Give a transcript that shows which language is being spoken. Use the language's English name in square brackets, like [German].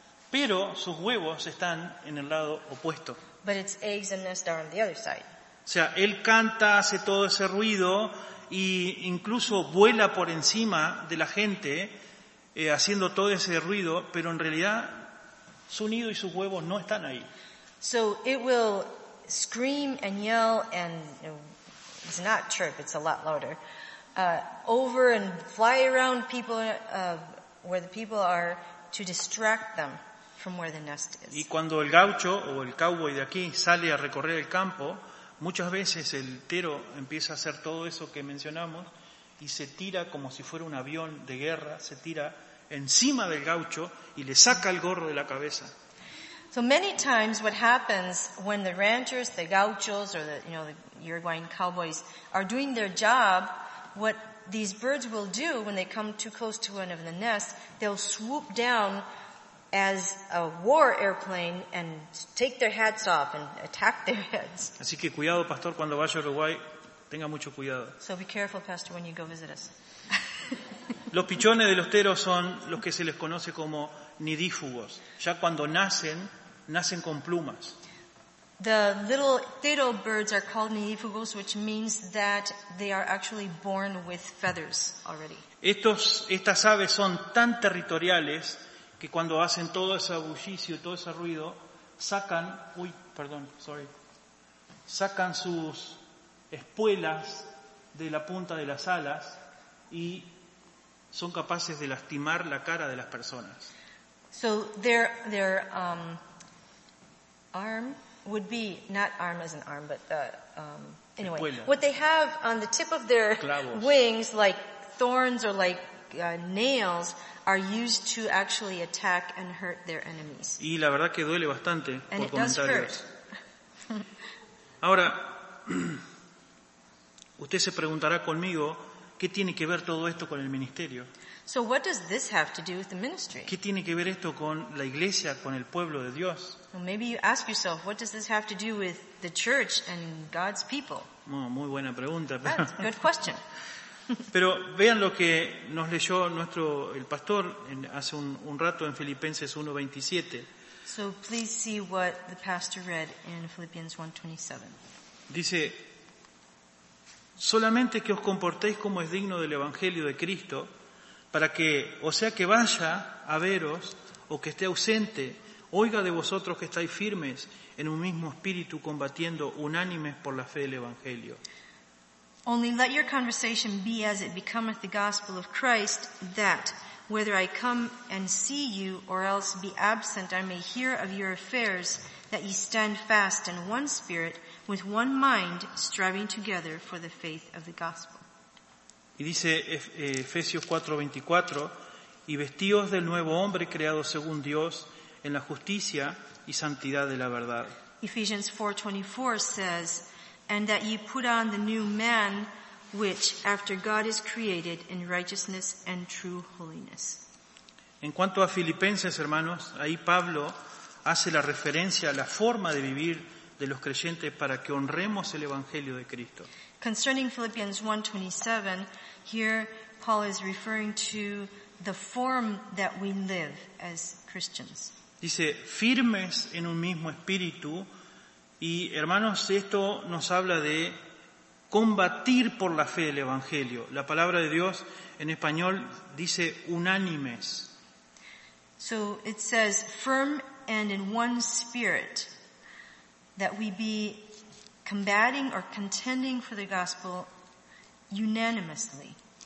[Spanish] Pero sus huevos están en el lado opuesto. [English] But its eggs and nest are on the other side. [Spanish] O sea, él canta, hace todo ese ruido e incluso vuela por encima de la gente haciendo todo ese ruido, pero en realidad su nido y sus huevos no están ahí. [English] So it will scream and yell and it's not chirp, it's a lot louder. Over and fly around people where the people are to distract them from where the nest is. [Spanish] Y cuando el gaucho o el cowboy de aquí sale a recorrer el campo, muchas veces el tero empieza a hacer todo eso que mencionamos y se tira como si fuera un avión de guerra, se tira encima del gaucho y le saca el gorro de la cabeza. [English] So many times what happens when the ranchers, the gauchos, or the, you know, the Uruguayan cowboys are doing their job, what these birds will do when they come too close to one of the nests, they'll swoop down as a war airplane and take their hats off and attack their heads. [Spanish] Así que cuidado, pastor, cuando vaya a Uruguay, tenga mucho cuidado. [English] So be careful, pastor, when you go visit us. [Spanish] Los pichones de los teros son los que se les conoce como nidífugos. Ya cuando nacen, nacen con plumas. [English] The little tero birds are called nidífugos, which means that they are actually born with feathers already. [Spanish] Estas aves son tan territoriales que cuando hacen todo ese bullicio, todo ese ruido, sacan sus espuelas de la punta de las alas y son capaces de lastimar la cara de las personas. [English] So their arm would be not arm as an arm, but anyway, [Spanish] espuelas. [English] What they have on the tip of their [Spanish] clavos. [English] Wings, like thorns or like nails, are used to actually attack and hurt their enemies. [Spanish] Y la verdad que duele bastante [English] and [Spanish] por comentarios. [English] Does hurt. [Spanish] Ahora, usted se preguntará conmigo, ¿qué tiene que ver todo esto con el ministerio? [English] So what does this have to do with the ministry? [Spanish] ¿Qué tiene que ver esto con la iglesia, con el pueblo de Dios? [English] Well, maybe you ask yourself, what does this have to do with the church and God's people? [Spanish] Oh, muy buena pregunta. [English] That's a good question. [Spanish] Pero vean lo que nos leyó el pastor hace un rato en Filipenses 1:27. [English] So please see what the pastor read in Philippians 1:27. [Spanish] Dice, solamente que os comportéis como es digno del Evangelio de Cristo, para que, o sea que vaya a veros o que esté ausente, oiga de vosotros que estáis firmes en un mismo espíritu combatiendo unánimes por la fe del Evangelio. [English] Only let your conversation be as it becometh the gospel of Christ, that whether I come and see you or else be absent, I may hear of your affairs, that ye stand fast in one spirit, with one mind, striving together for the faith of the gospel. [Spanish] Y dice Efesios 4:24, y vestíos del nuevo hombre creado según Dios en la justicia y santidad de la verdad. [English] Ephesians 4:24 says, and that ye put on the new man, which after God is created in righteousness and true holiness. [Spanish] En cuanto a Filipenses, hermanos, ahí Pablo hace la referencia a la forma de vivir de los creyentes para que honremos el Evangelio de Cristo. [English] Concerning Philippians 1:27, here Paul is referring to the form that we live as Christians. [Spanish] Dice, firmes en un mismo espíritu. Y hermanos, esto nos habla de combatir por la fe del Evangelio. La palabra de Dios en español dice unánimes. [English] So it says firm and in one spirit, that we be combating or contending for the gospel unanimously.